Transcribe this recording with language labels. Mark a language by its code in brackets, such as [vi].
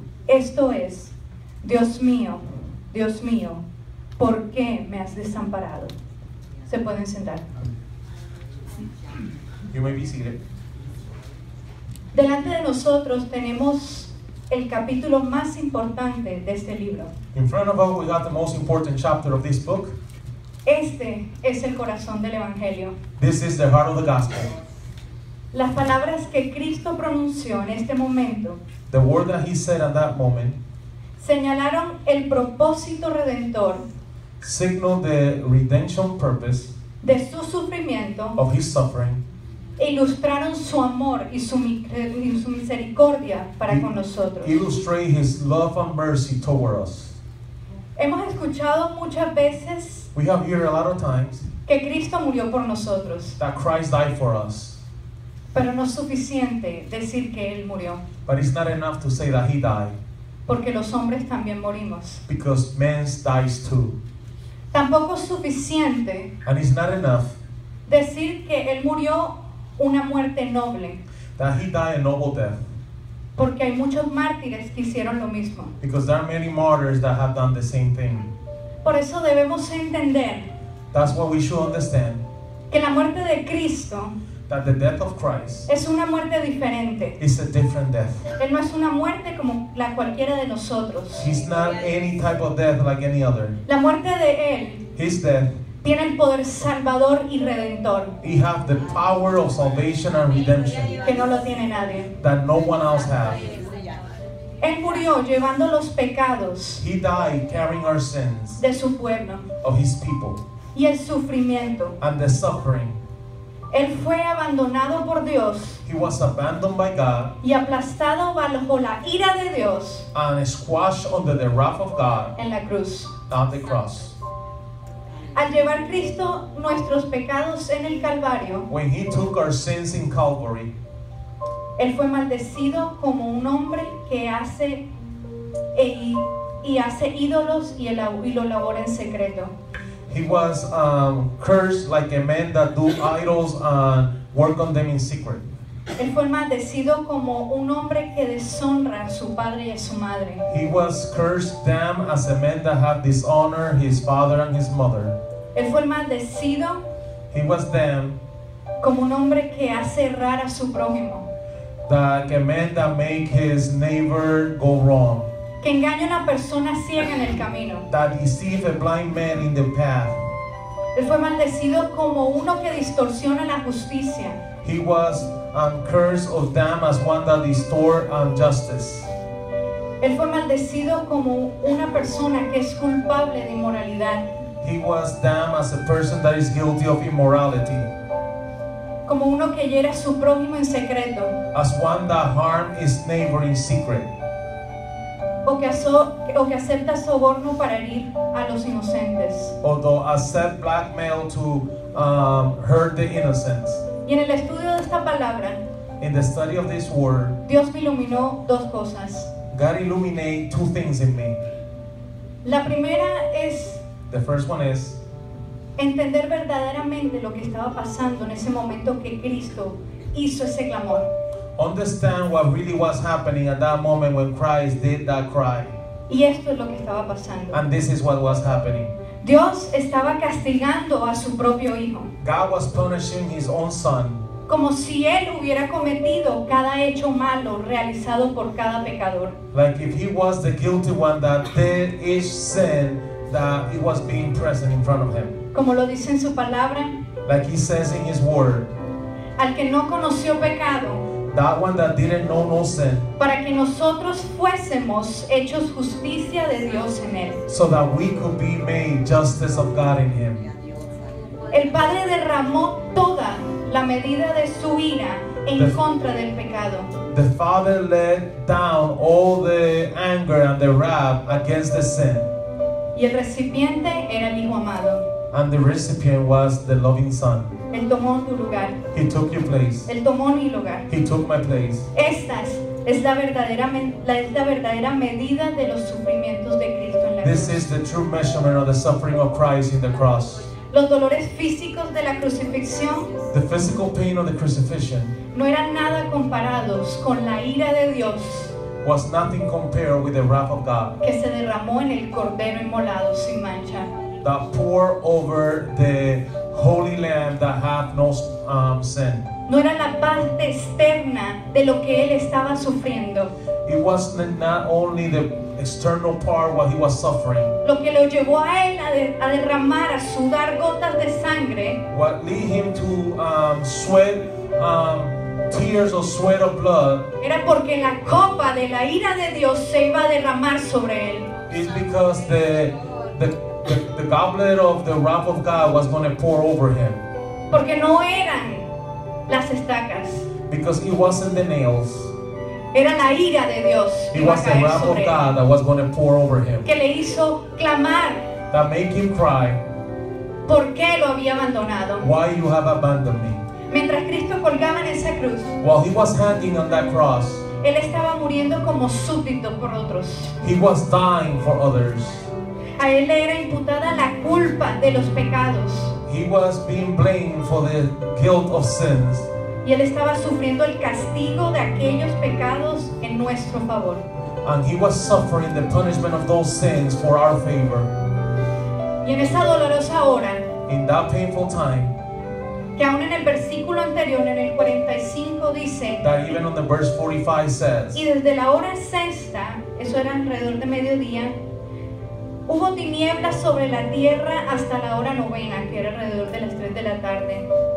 [es] Esto es, Dios mío, Dios mío, ¿por qué me has desamparado? Se pueden sentar. [en] You may be seated. [es] Delante de nosotros tenemos el capítulo más importante de este libro. [en] In front of us, we got the most important chapter of this book. [es] Este es el corazón del Evangelio. [en] This is the heart of the gospel. [es] Las palabras que Cristo pronunció en este momento, [en] the word that he said at that moment, [es] señalaron el propósito redentor, [en] signal the redemption purpose, [es] de su sufrimiento, [en] of his suffering, [es] ilustraron su amor y su misericordia para con nosotros, [en] illustrate his love and mercy toward us. [es] Hemos escuchado muchas veces, [en] we have heard a lot of times, [es] que Cristo murió por nosotros, [en] that Christ died for us, [es] pero no es suficiente decir que Él murió, [en] but it's not enough to say that he died, [es] porque los hombres también morimos, [en] because men dies too. [es] Tampoco es suficiente, [en] and it's not enough, [es] decir que Él murió una muerte noble, [en] that he died a noble death, [es] porque hay muchos mártires que hicieron lo mismo, [en] because there are many martyrs that have done the same thing. [es] Por eso debemos entender, [en] that's what we should understand, [es] que la muerte de Cristo, [en] that the death of Christ, [es] es una muerte diferente, [en] is a different death. [es] Él no es una muerte como la cualquiera de nosotros. [en] He's not any type of death like any other. [es] La muerte de Él, [en] his death, [es] tiene el poder salvador y redentor, [en] he have the power of salvation and redemption, [es] que no lo tiene nadie, [en] that no one else has. [es] Él murió llevando los pecados, [en] he died carrying our sins, [es] de su pueblo, [en] of his people, [es] y el sufrimiento, [en] and the suffering, [es] Él fue abandonado por Dios. [en] He was abandoned by God. [es] Y aplastado bajo la ira de Dios. [en] And squashed under the wrath of God. [es] En la cruz. [en] On the cross. [es] Al llevar Cristo nuestros pecados en el Calvario. [en] When he took our sins in Calvary. [es] Él fue maldecido como un hombre que hace y hace ídolos y lo labora en secreto. [en] He was cursed like a man that do idols and work on them in secret. [es] Él fue maldecido como un hombre que deshonra a su padre y a su madre. [en] He was cursed damned as a man that have dishonored his father and his mother. [es] Él fue maldecido. [en] He was damned. [es] Como un hombre que hace errar a su prójimo. [en] Like a man that make his neighbor go wrong. [es] Que engaña a una persona ciega en el camino. [en] That deceive a blind man in the path. [es] Él fue maldecido como uno que distorsiona la justicia. [en] He was cursed or damned as one that distort justice. [es] Él fue maldecido como una persona que es culpable de inmoralidad. [en] He was damned as a person that is guilty of immorality. [es] Como uno que hiera a su prójimo en secreto. [en] As one that harm his neighbor in secret. [es] O que acepta soborno para herir a los inocentes. [en] Although accept blackmail to hurt the innocents. [es] Y en el estudio de esta palabra, [en] in the study of this word, [es] Dios me iluminó dos cosas. [en] God illuminate two things in me. [es] La primera es, [en] the first one is, [es] entender verdaderamente lo que estaba pasando en ese momento que Cristo hizo ese clamor. [en] Understand what really was happening at that moment when Christ did that cry. [es] Y esto es lo que estaba pasando. [en] And this is what was happening. [es] Dios estaba castigando a su propio hijo. [en] God was punishing his own son. [es] Como si él hubiera cometido cada hecho malo realizado por cada pecador. [en] Like if he was the guilty one that did each sin that it was being present in front of him. [es] Como lo dice en su palabra. [en] Like he says in his word. [es] Al que no conoció pecado. [en] That one that didn't know no sin. [es] Para que nosotros fuésemos hechos justicia de Dios en él. [en] So that we could be made justice of God in him. [es] El Padre derramó toda la medida de su ira en contra del pecado. [en] The Father let down all the anger and the wrath against the sin. [es] Y el recipiente era el Hijo amado. [en] And the recipient was the loving Son. [es] Él tomó tu lugar. [en] He took your place. [es] Él tomó mi lugar. [en] He took my place. [es] Esta es la verdadera medida de los sufrimientos de Cristo en la cruz. [en] This is the true measurement of the suffering of Christ in the cross. [es] Los dolores físicos de la crucifixión. [en] The physical pain of the crucifixion. [es] No eran nada comparados con la ira de Dios. [en] Was nothing compared with the wrath of God. [es] Que se derramó en el cordero inmolado sin mancha. [en] That pour over the holy lamb that hath no sin. [es] No era la parte externa de lo que él estaba sufriendo. [en] It was not only the external part what he was suffering. [es] Lo que lo llevó a él a derramar, a sudar gotas de sangre. [en] What led him to sweat tears or sweat of blood. [es] Era porque la copa de la ira de Dios se iba a derramar sobre él. [en] It's because the goblet of the wrath of God was going to pour over him. [es] Porque no eran las estacas. [en] Because it wasn't the nails. [es] Era la ira de Dios. [en] It was the wrath of God that was going to pour over him. [es] Que le hizo clamar. [en] That made him cry. [es] ¿Por qué lo había abandonado? [en] Why you have abandoned me? [es] Mientras Cristo colgaba en esa cruz. [en] While he was hanging on that cross. [es] Él estaba muriendo como súbdito por otros. [en] He was dying for others. [es] A él le era imputada la culpa de los pecados. [en] He was being blamed for the guilt of sins. [es] Y él estaba sufriendo el castigo de aquellos pecados en nuestro favor. [en] And he was suffering the punishment of those sins for our favor. [es] Y en esa dolorosa hora. [en] In that painful time. [es] Que aún en el versículo anterior, en el 45, dice. [en] That even on the verse 45 says. [es] Y desde la hora sexta, eso era alrededor de mediodía. Hubo tinieblas sobre la tierra hasta la hora novena, que era alrededor de las 3 de la tarde.